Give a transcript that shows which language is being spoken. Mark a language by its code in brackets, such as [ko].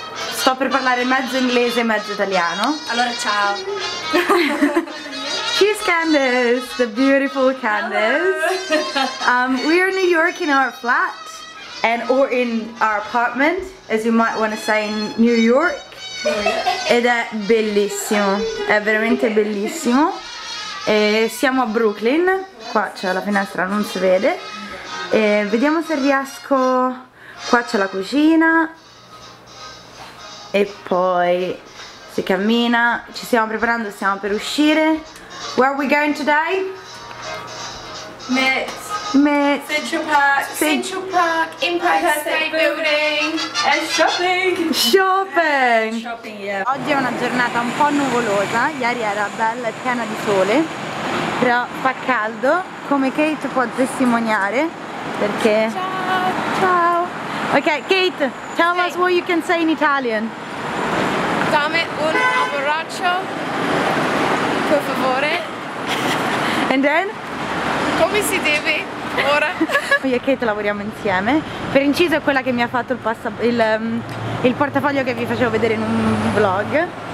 [it] Sto per parlare mezzo inglese e mezzo italiano. Allora, ciao. [en] She's Candace, the beautiful Candace. We are in New York in our flat, and or in our apartment, as you might want to say in New York. [it] Ed è bellissimo, è veramente bellissimo. E siamo a Brooklyn, qua c'è la finestra, non si vede. E vediamo se riesco. Qua c'è la cucina. E poi si cammina. Ci stiamo preparando, stiamo per uscire. [en] Where are we going today? Met. Central Park. Empire State Building. And shopping. Shopping, yeah. [it] Oggi è una giornata un po' nuvolosa. Ieri era bella e piena di sole. Però fa caldo, come Kate può testimoniare, perché... Ciao! Ciao! [en] Ok, Kate, tell us what you can say in Italian. [it] Dammi un abbraccio, per favore. [en] And then? [it] Come si deve, ora? Io e Kate lavoriamo insieme. Per inciso è quella che mi ha fatto il portafoglio che vi facevo vedere in un vlog.